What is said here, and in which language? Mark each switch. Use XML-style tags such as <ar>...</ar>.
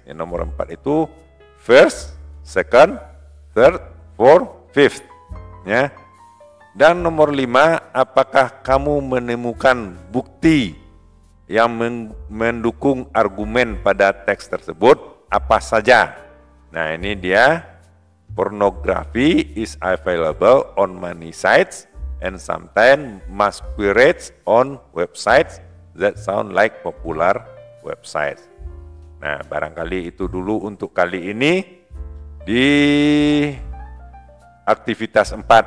<id>Yang nomor empat itu</id> <en>first, second, third, fourth, fifth.</en> <id>Ya. Dan nomor lima, apakah kamu menemukan bukti yang mendukung argumen pada teks tersebut? Apa saja? Nah, ini dia.</id> <en>Pornography is available on many sites and sometimes masquerades on websites that sound like popular websites.</en> <id>Nah, barangkali itu dulu untuk kali ini di aktivitas 4,</id>